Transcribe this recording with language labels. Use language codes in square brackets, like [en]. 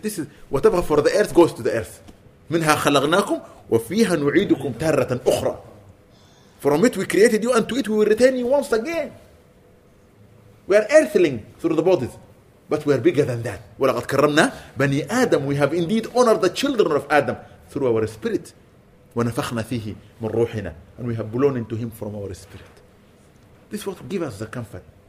[en] This is whatever for the earth goes to the earth. [ar] منها خلقناكم وفيها نعيدكم تارة أخرى. [en] From it we created you and to it we will retain you once again. We are earthling through the bodies. But we are bigger than that. [ar] ولقد كرمنا بني آدم. [en] We have indeed honored the children of Adam through our spirit. [ar] ونفخنا فيه من روحنا. [en] And we have blown into him from our spirit. This is what gives us the comfort.